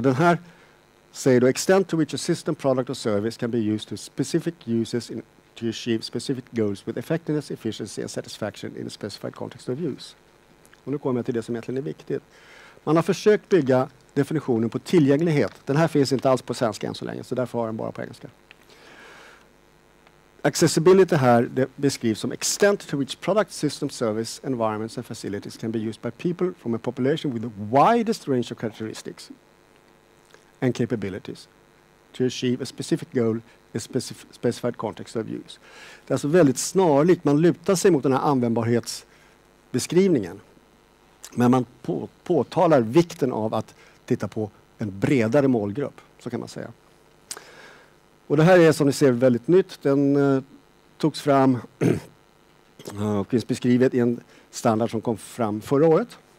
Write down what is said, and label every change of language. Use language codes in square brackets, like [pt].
[sv] Den här säger då, [en] extent to which a system, product or service can be used to specific uses in to achieve specific goals with effectiveness, efficiency and satisfaction in a specified context of use. [sv] Och nu kommer jag till det som egentligen är viktigt. Man har försökt bygga definitionen på tillgänglighet. Den här finns inte alls på svenska än så länge, så därför har den bara på engelska. [en] Accessibility [sv] här, det beskrivs som [en] extent to which product, system, service, environments and facilities can be used by people from a population with the widest range of characteristics and capabilities to achieve a specific goal in specified context of use. [sv] Det är alltså väldigt snarlikt. Man lutar sig mot den här användbarhetsbeskrivningen. Men man påtalar vikten av att titta på en bredare målgrupp, så kan man säga. Och det här är, som ni ser, väldigt nytt. Den togs fram och finns beskrivet i en standard som kom fram förra året.